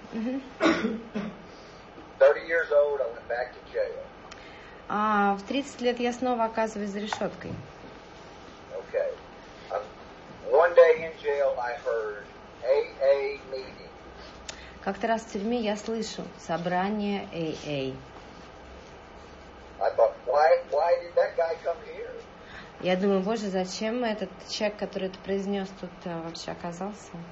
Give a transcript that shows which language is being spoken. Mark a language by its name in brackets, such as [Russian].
[English] 30 years old, I went back to jail. [Russian] А в 30 лет я снова оказываюсь за решеткой. [English] Okay. One day in jail I heard AA meeting. [Russian] Как-то раз в тюрьме я слышу собрание AA. [English] I thought, why did that guy come here? [Russian] Я думаю, боже, зачем этот человек, который это произнес, тут вообще оказался?